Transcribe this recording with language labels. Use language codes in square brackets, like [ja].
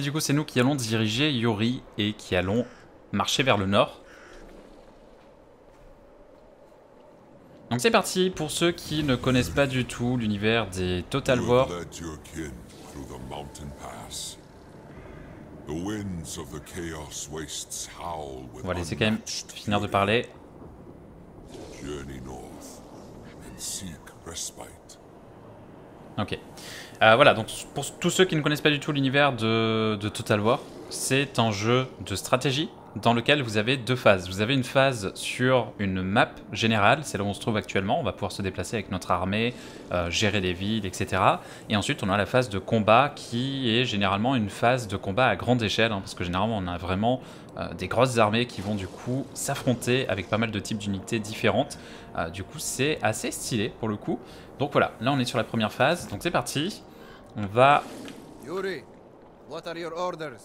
[fr] Du coup, c'est nous qui allons diriger Yuri et qui allons marcher vers le nord. Donc c'est parti, pour ceux qui ne connaissent pas du tout l'univers des Total War. [en] You have led your kin through the mountain pass. The winds of the Chaos Wastes howl with [fr] Voilà, c'est quand même finir de parler. [en] Journey north and seek respite. Ok. [fr] Voilà, donc pour tous ceux qui ne connaissent pas du tout l'univers de Total War, c'est un jeu de stratégie. Dans lequel vous avez deux phases. Vous avez une phase sur une map générale, celle où on se trouve actuellement. On va pouvoir se déplacer avec notre armée, gérer des villes, etc. Et ensuite, on a la phase de combat qui est généralement une phase de combat à grande échelle, hein, parce que généralement, on a vraiment des grosses armées qui vont du coup s'affronter avec pas mal de types d'unités différentes. Du coup, c'est assez stylé pour le coup. Donc voilà, là, on est sur la première phase. Donc c'est parti. On va. [en] Yuri, what are your orders?